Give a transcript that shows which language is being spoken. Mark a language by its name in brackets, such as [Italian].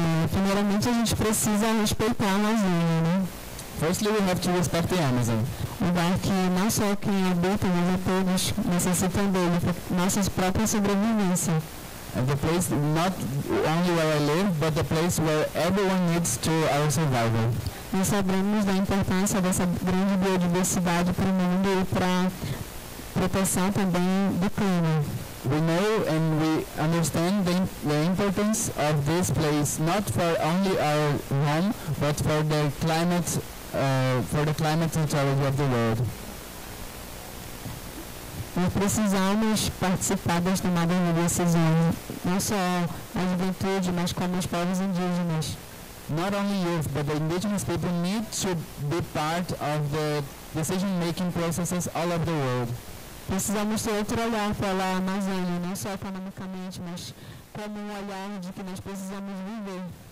[Portuguese] Primeiramente, a gente precisa respeitar a Amazônia, né? [English] Firstly, we have to respect the Amazon. [Portuguese] Lugar que não só quem habita, mas é todos necessitam dele, nossa própria sobrevivência. [English] And the place, not only where I live, but the place where everyone needs to our survival. [Portuguese] Nós sabemos da importância dessa grande biodiversidade para o mundo e para proteção também do clima. [English] We know and we understand the importance of this place, not for only our home, but for the climate neutrality of the world. [Portuguese] Nós precisamos participar das tomadas de decisões, não só a juventude, mas como os povos indígenas. [English] Not only youth, but the indigenous people need to be part of the decision-making processes all over the world. [Portuguese] Precisamos ter outro olhar para a Amazônia, não só economicamente, mas como um olhar de que nós precisamos viver.